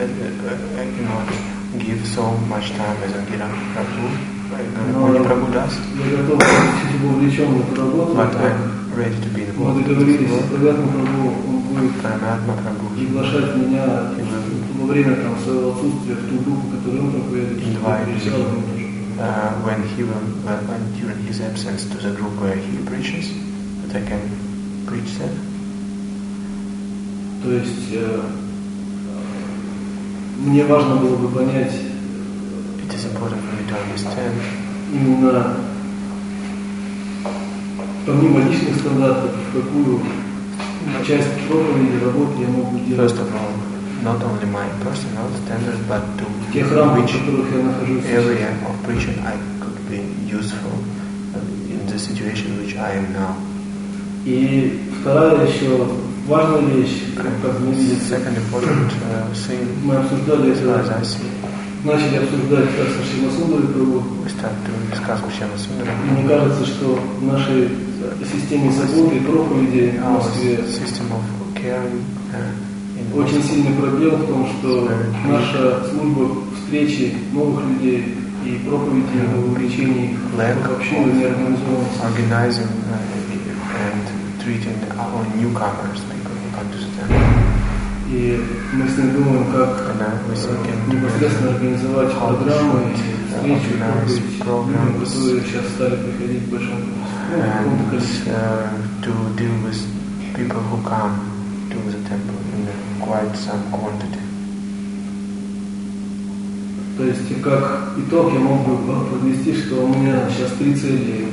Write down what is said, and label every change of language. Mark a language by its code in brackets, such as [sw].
[en] Cannot give so much time as Ангира Прабху. [ru] Я готов быть вовлечен в эту работу. [en] But I'm ready to be involved. [ru] Мы договорились, что Агатма Прабху, он будет приглашать меня во время там своего отсутствия в ту группу, которую он проповедует. [en] When during his absence to the group where he preaches, that I can preach there. [ru] То есть мне важно было бы понять. [en] It is important for me to understand. [ru] Именно помимо личных стандартов, какую часть проповеди работы я могу делать. [en] First of all, not only my personal standards, but to [ru] тех рамках, в которых я нахожусь. [en] Area of preaching I could be useful in the situation which I am now. [ru] И вторая еще важная вещь, как мы видим. [en] Second important thing. [ru] Мы обсуждали это. Начали обсуждать как со Шримасундарой Прабху. [en] We start to discuss with Шримасундарой [ru] Прабху. И мне кажется, что в нашей системе заботы и проповеди в Москве [en] system of care, [ru] очень сильный пробел в том, что наша служба встречи новых людей и проповеди о вовлечении как общины не организована. [en] Organizing and treating our newcomers, people who come to the temple. [ru] И мы с ним думаем, как непосредственно организовать программу и встречу, которые сейчас стали приходить в большом количестве. [en] To deal with people who come to the temple in quite some quantity. [ru] То есть, как итог, я мог бы подвести, что у меня сейчас три цели.